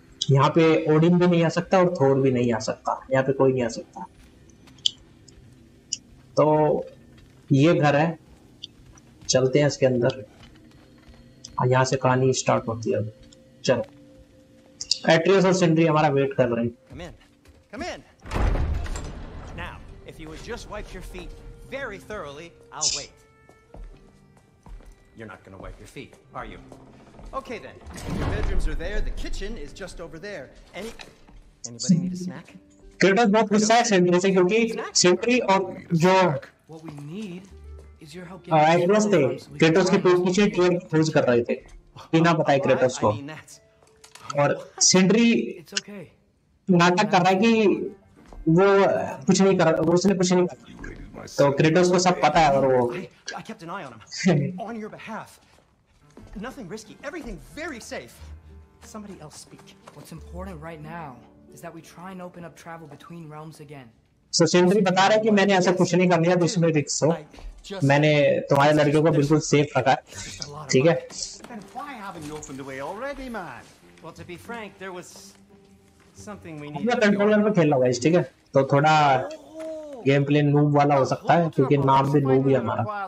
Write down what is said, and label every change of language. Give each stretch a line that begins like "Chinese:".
Hindi: यहाँ पे ओडिन भी नहीं आ सकता और थोर भी नहीं आ सकता, यहाँ पे कोई नहीं आ सकता। तो ये घर है, चलते हैं इसके अंदर और यहाँ से कहानी स्टार्ट होती है। चलो, एट्रियस और सिंड्री हमारा वेट कर रहे हैं।
English: Come in, come in. Now, if you would just wipe your feet very thoroughly, I'll wait. You're not going to wipe your feet, are you? Okay then. Your bedrooms are there. The kitchen is just over there. Anybody need a snack?
Hindi: क्रिटस बहुत गुस्सा है Sentry से, क्योंकि Sentry और जो address थे क्रिटस के पीछे ट्रेन खोज कर रहे थे बिना बताए क्रिटस को, और सेंट्री नाटक कर रहा है कि वो कुछ नहीं कर रहा, उसने कुछ नहीं कर, तो क्रिटस को सब पता है। और वो
English: I kept an eye on him. On your behalf. Nothing risky. Everything very safe. Somebody else speak. What's important right now is that we try and open up travel between realms again.
Hindi: So Sindri बता रहा है कि मैंने ऐसा कुछ नहीं कर लिया, जिसमें रिक्स हो। मैंने तुम्हारे लड़के को बिल्कुल सेफ रखा है, ठीक है?
English: Then why haven't you opened the way already, man? Well, to be frank, there was something we needed.
Hindi: अपना कंट्रोलर पे खेल लो गाइस, ठीक है? तो थोड़ा गेम प्ले नूब वाला हो सकता है, क्योंकि नाम भी नूब ही हमारा।